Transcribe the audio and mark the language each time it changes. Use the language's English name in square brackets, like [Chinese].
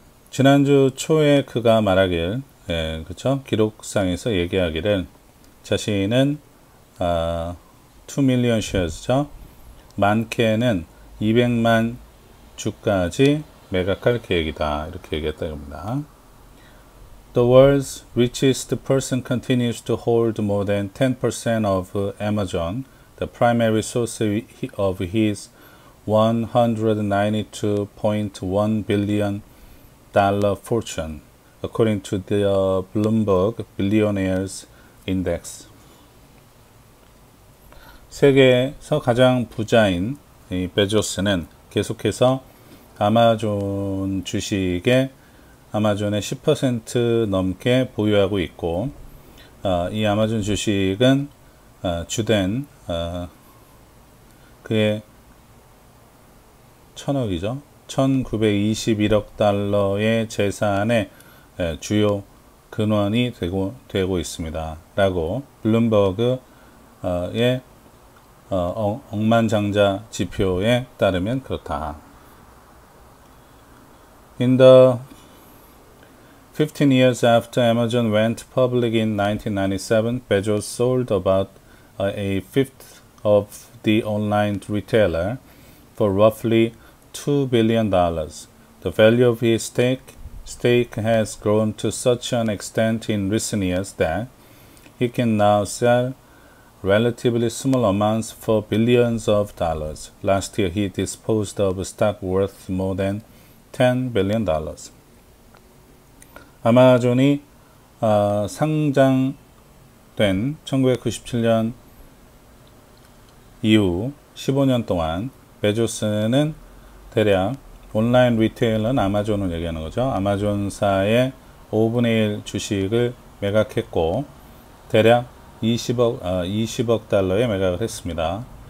[Korean] 지난주 초에 그가 말하길, 예, 그쵸? 기록상에서 얘기하기를 자신은 [English] 2 million shares [Korean] 죠. 많게는 200만 주까지 매각할 계획이다 이렇게 얘기했다 이겁니다. [English] The world's richest person continues to hold more than 10% of Amazon, the primary source of his $192.1 billion fortune, according to the Bloomberg Billionaires Index. [Korean] 세계에서 가장 부자인 이 베조스는 계속해서 아마존의 10% 넘게 보유하고 있고, 이 아마존 주식은 주된 그의 천억이죠. 1921억 달러의 재산의 주요 근원이 되고 있습니다. 라고 블룸버그의 억만장자 지표에 따르면 그렇다. [English] In the 15 years after Amazon went public in 1997, Bezos sold about a fifth of the online retailer for roughly $2 billion. The value of his stake has grown to such an extent in recent years that he can now sell relatively small amounts for billions of dollars. Last year, he disposed of stock worth more than $10 billion. [Korean] 아마존이 상장된 1997년 이후 15년 동안 베조스는 대략 온라인 리테일은 아마존을 얘기하는 거죠. 아마존사의 5분의 1 주식을 매각했고 대략 20억 달러에 매각을 했습니다.